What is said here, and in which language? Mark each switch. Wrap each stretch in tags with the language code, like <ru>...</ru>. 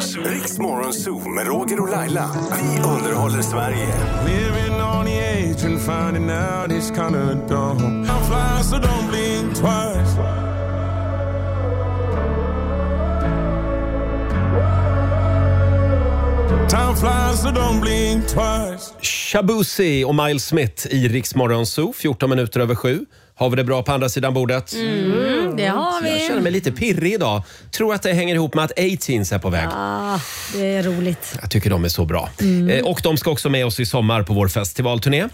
<sv>Riksmorgon Zoo med Roger och Laila. Vi underhåller Sverige.</sv> <en>Living on the edge and finding out it's kind of dumb. I'm fly so don't blink twice. Time flies, so don't blink twice.</en> <sv>Shabusi och Miles Smith i Rix Morgon Zoo, 14 minuter över 7. Har vi det bra på andra sidan bordet? Mm, det har vi. Jag känner mig lite pirrig idag. Tror att det hänger ihop med att A-Teens är på väg. Ja, det är roligt. Jag tycker de är så bra. Mm. Och de ska också med oss i sommar på vår festivalturné.</sv>